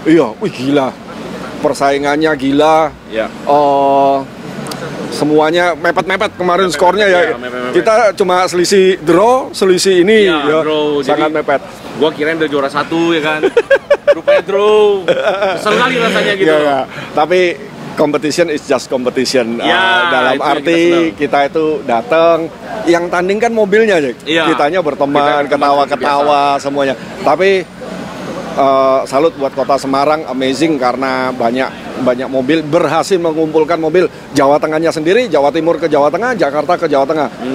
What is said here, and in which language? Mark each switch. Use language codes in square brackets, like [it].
[id] Iya, wih gila. Persaingannya gila. Iya. Semuanya mepet-mepet kemarin skornya ya. Kita cuma selisih draw, selisih ini ya. Draw, sangat mepet. Gua kirain udah juara satu ya kan. Rupanya draw. Kesel kali rasanya gitu. Iya. [en] Tapi competition is just competition. [id] Ya, dalam arti kita itu datang yang tanding kan mobilnya aja. Ya. Kitanya berteman, ketawa-ketawa semuanya. Tapi salut buat Kota Semarang, amazing karena banyak mobil berhasil mengumpulkan mobil Jawa Tengahnya sendiri, Jawa Timur ke Jawa Tengah, Jakarta ke Jawa Tengah.